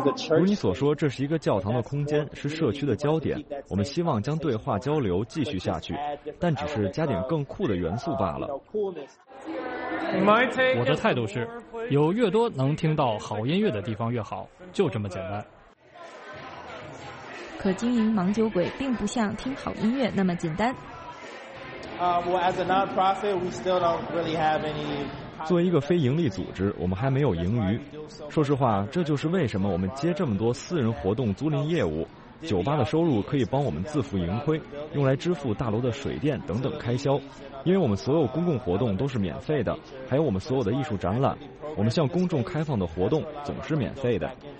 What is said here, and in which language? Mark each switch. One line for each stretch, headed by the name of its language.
Chinese: 如你所说，这是一个教堂的空间，是社区的焦点，我们希望将对话交流继续下去，但只是加点更酷的元素罢了。我的态度是，有越多能听到好音乐的地方越好，就这么简单。可经营盲酒鬼并不像听好音乐那么简单。
English: As a non-profit, we still don't really have any...
Chinese: 作为一个非盈利组织，我们还没有盈余。说实话，这就是为什么我们接这么多私人活动租赁业务。酒吧的收入可以帮我们自负盈亏，用来支付大楼的水电等等开销，因为我们所有公共活动都是免费的，还有我们所有的艺术展览，我们向公众开放的活动总是免费的。